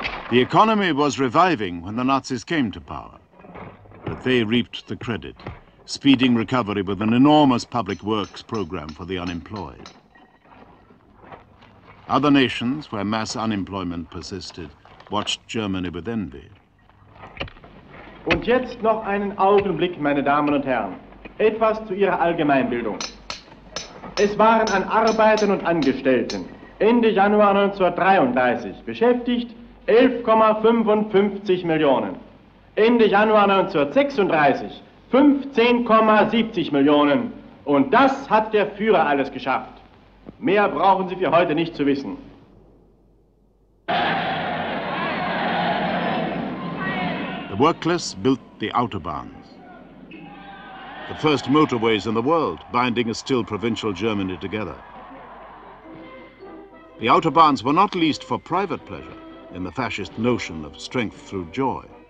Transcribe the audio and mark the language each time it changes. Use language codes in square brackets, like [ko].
[en] The economy was reviving when the Nazis came to power, but they reaped the credit, speeding recovery with an enormous public works program for the unemployed. Other nations, where mass unemployment persisted, watched Germany with envy. [de] Und jetzt noch einen Augenblick, meine Damen und Herren. Etwas zu Ihrer Allgemeinbildung. Es waren an Arbeitern und Angestellten Ende Januar 1933 beschäftigt 11,55 Millionen. Ende Januar 1936 15,70 Millionen. Und das hat der Führer alles geschafft. Mehr brauchen Sie für heute nicht zu wissen. [en] The workless built the Autobahns, the first motorways in the world, binding a still provincial Germany together. The Autobahns were not leased for private pleasure in the fascist notion of strength through joy.